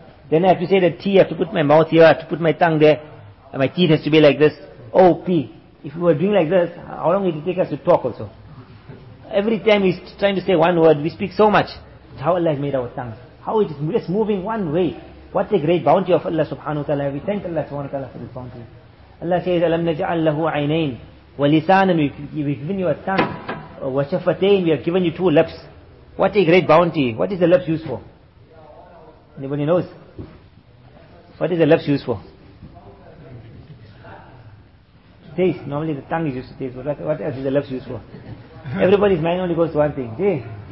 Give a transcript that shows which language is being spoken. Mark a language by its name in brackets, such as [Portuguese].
[English] Then I have to say the T, I have to put my mouth here, I have to put my tongue there, and my teeth has to be like this, O-P. If we were doing like this, how long would it take us to talk also? Every time he's trying to say one word, we speak so much. It's how Allah has made our tongue. How it is just moving one way. What a great bounty of Allah subhanahu wa ta'ala. We thank Allah subhanahu wa ta'ala for this bounty. Allah says, [Arabic] أَلَمْ نَجْعَلْ لَهُ عَيْنَيْنِ وَلِسَانًا. [English] We've given you a tongue. وَشَفَتَيْنِ. We have given you two lips. What a great bounty. What is the lips used for? Anybody knows? What is the lips used for? Taste. Normally the tongue is used to taste. But what else is the lips used for? Everybody's mind only goes to one thing. See?